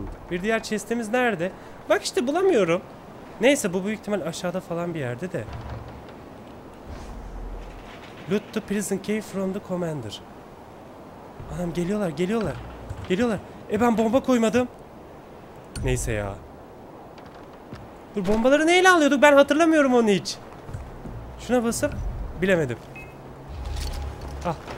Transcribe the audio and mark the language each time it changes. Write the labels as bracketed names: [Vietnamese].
[Turkish] Bir diğer chest'imiz nerede? Bak işte bulamıyorum. Neyse, bu büyük ihtimal aşağıda falan bir yerde de. [English] Loot the prison key from the commander. [Turkish] Adam geliyorlar, geliyorlar. Geliyorlar. Ben bomba koymadım. Neyse ya. Dur, bombaları neyle alıyorduk? Ben hatırlamıyorum onu hiç. Şuna basıp bilemedim. Ah.